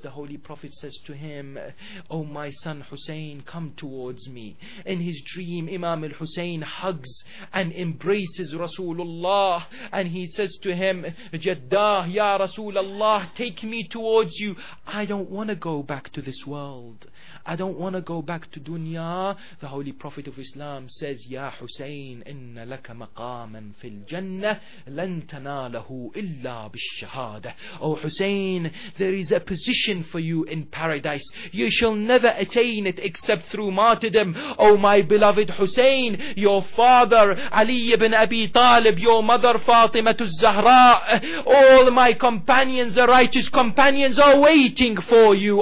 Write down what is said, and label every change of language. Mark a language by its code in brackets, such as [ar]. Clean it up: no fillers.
[en] The Holy Prophet says to him, "Oh my son Hussein, come towards me." In his dream, Imam al-Hussein hugs and embraces Rasulullah, and he says to him, "Jaddah, ya Rasulullah, take me towards you. I don't want to go back to this world. I don't want to go back to dunya." The Holy Prophet of Islam says, [ar] "Ya Hussein, إِنَّ لَكَ مَقَامًا فِي الْجَنَّةِ لَن تَنَالَهُ إِلَّا بِالشَّهَادَةِ." [en] Oh Hussein, there is a position for you in paradise. You shall never attain it except through martyrdom. Oh my beloved Hussein, your father Ali ibn Abi Talib, your mother Fatima al-Zahra, all my companions, the righteous companions, are waiting for you.